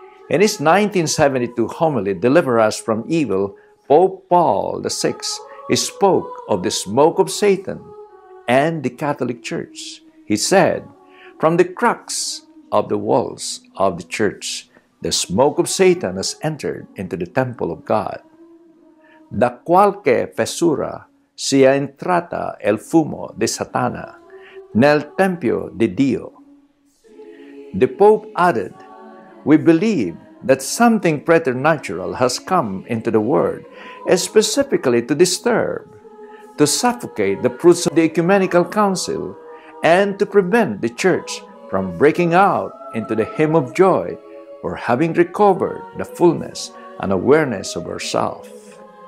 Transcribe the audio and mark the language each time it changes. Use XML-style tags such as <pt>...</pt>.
<en>In his 1972 homily, Deliver Us from Evil, Pope Paul VI spoke of the smoke of Satan and the Catholic Church. He said, from the cracks of the walls of the church, the smoke of Satan has entered into the temple of God.</en> <it>Da qualche fessura si è entrata il fumo di Satana nel Tempio di Dio.</it> <en>The Pope added, we believe that something preternatural has come into the world, specifically to disturb, to suffocate the fruits of the Ecumenical Council, and to prevent the Church from breaking out into the hymn of joy for having recovered the fullness and awareness of herself.</en>